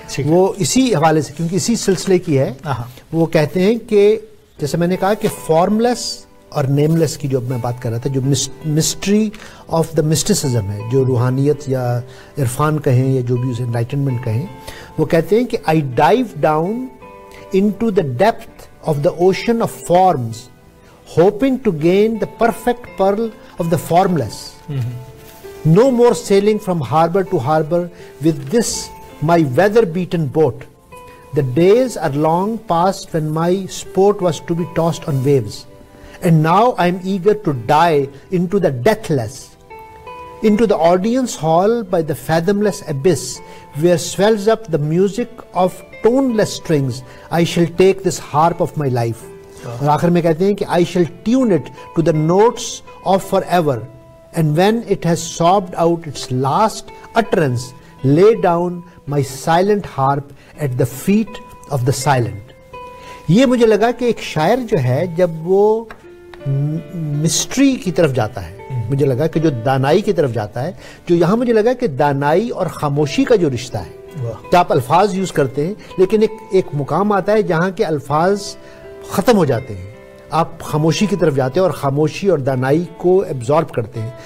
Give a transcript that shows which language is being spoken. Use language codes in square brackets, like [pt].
[ur] وہ اسی حوالے سے, کیونکہ اسی سلسلے کی ہے. وہ کہتے ہیں کہ جیسے میں نے کہا کہ فارم لیس اور نیم لیس کی جو میں بات کر رہا تھا, جو مسٹری آف دا مسٹیسزم ہے, جو روحانیت یا عرفان کہیں یا جو بھی اسے انلائٹنمنٹ کہیں, وہ کہتے ہیں کہ [en] I dive down into the depth of the ocean of forms hoping to gain the perfect pearl of the formless. No more sailing from harbor to harbor with this my weather-beaten boat. The days are long past when my sport was to be tossed on waves, and now I am eager to die into the deathless, into the audience hall by the fathomless abyss where swells up the music of toneless strings. I shall take this harp of my life. [ur] اور آخر میں کہتے ہیں کہ [en] I shall tune it to the notes of forever and when it has sobbed out its last utterance lay down my silent harp at the feet of the silent. [ur] یہ مجھے لگا کہ ایک شاعر جو ہے جب وہ مسٹری کی طرف جاتا ہے, مجھے لگا کہ جو دانائی کی طرف جاتا ہے, جو یہاں مجھے لگا کہ دانائی اور خاموشی کا جو رشتہ ہے, کہ آپ الفاظ یوز کرتے ہیں لیکن ایک مقام آتا ہے جہاں کے الفاظ ختم ہو جاتے ہیں, آپ خاموشی کی طرف جاتے ہیں اور خاموشی اور دانائی کو ابزارب کرتے ہیں.